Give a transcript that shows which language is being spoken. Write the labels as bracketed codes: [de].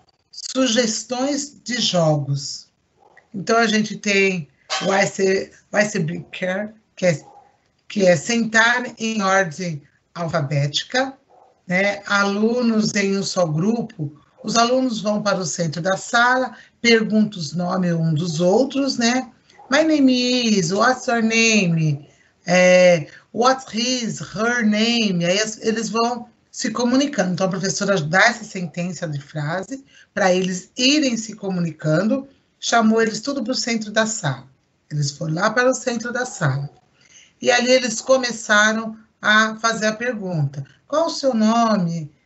[pt] Sugestões de jogos. Então, a gente tem o icebreaker, que é sentar em ordem alfabética, né? Alunos em um só grupo. Os alunos vão para o centro da sala, perguntam os nomes um dos outros, né? [en] My name is, what's your name? What's his, her name? [pt] Aí eles vão se comunicando. Então, a professora dá essa sentença de frase para eles irem se comunicando, chamou eles tudo para o centro da sala. Eles foram lá para o centro da sala. E ali eles começaram a fazer a pergunta: qual o seu nome?